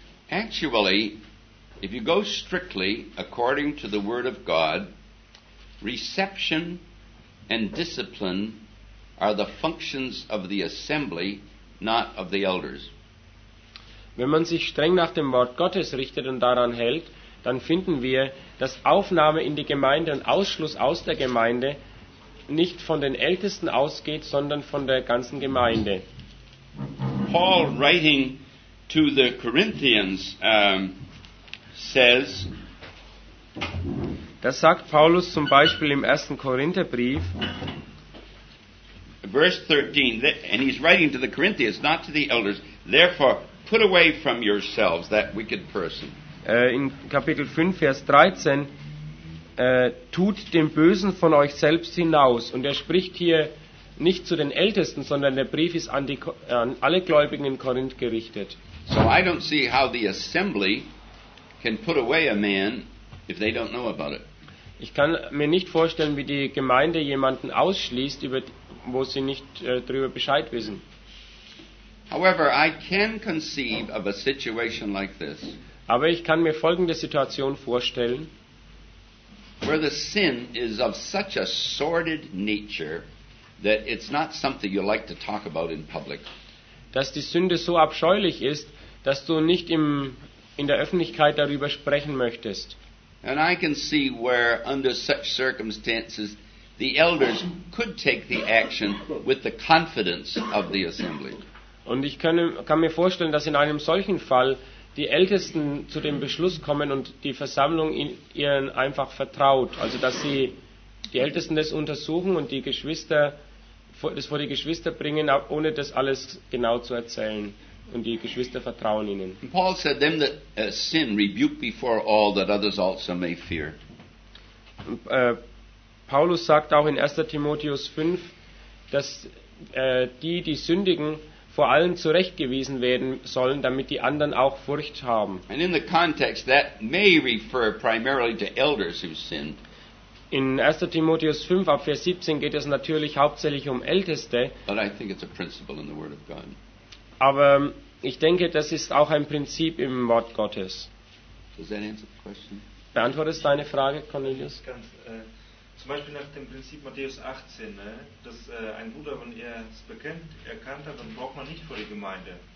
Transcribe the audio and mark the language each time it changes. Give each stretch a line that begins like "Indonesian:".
English: Actually, if you go strictly according to the Word of God, reception and discipline are the functions of the assembly, not of the elders.
German: Wenn man sich streng nach dem Wort Gottes richtet und daran hält, dann finden wir, dass Aufnahme in die Gemeinde und Ausschluss aus der Gemeinde nicht von den Ältesten ausgeht, sondern von der ganzen Gemeinde.
English: Paul, writing to the Corinthians, says,
German: das sagt Paulus zum Beispiel im 1. Korintherbrief,
English: verse 13, and he's writing to the Corinthians, not to the elders. Therefore, put away from yourselves that wicked person.
German: In Kapitel 5, Vers 13, tut dem Bösen von euch selbst hinaus. Und er spricht hier nicht zu den Ältesten, sondern der Brief ist an, an alle Gläubigen in Korinth gerichtet.
English: So I don't see how the assembly can put away a man if they don't know about it.
German: Ich kann mir nicht vorstellen, wie die Gemeinde jemanden ausschließt, über wo sie nicht darüber Bescheid wissen.
English: However, I can conceive of a situation like this.
German: Aber ich kann mir folgende Situation vorstellen.
English: Where the sin is of such a sordid nature that it's not something you like to talk about in public.
German: Dass die Sünde so abscheulich ist, dass du nicht im, in der Öffentlichkeit darüber sprechen möchtest.
English: And I can see where under such circumstances the elders could take the action with the confidence of the assembly.
German: Und ich kann mir vorstellen, dass in einem solchen Fall die Ältesten zu dem Beschluss kommen und die Versammlung ihnen einfach vertraut. Also dass sie die Ältesten das untersuchen und die Geschwister das vor die Geschwister bringen, ohne das alles genau zu erzählen. Und die Geschwister vertrauen ihnen.
English: And Paul said, them that sin rebuke before all that others also may fear.
German: Paulus sagt auch in 1. Timotheus 5, dass die Sündigen vor allem zurechtgewiesen werden sollen, damit die anderen auch Furcht haben.
English: And in the context, that may refer primarily to elders who sinned.
German: In 1. Timotheus 5, ab Vers 17 geht es natürlich hauptsächlich um Älteste.
English: But I think it's a principle in the Word of God.
German: Aber ich denke, das ist auch ein Prinzip im Wort Gottes.
English: Does that answer the question?
German: Beantwortest du deine Frage, Cornelius? Ganz, zum Beispiel nach dem Prinzip Matthäus 18, ne, dass ein Bruder, wenn er es bekennt, erkannt hat, dann braucht man nicht vor die Gemeinde.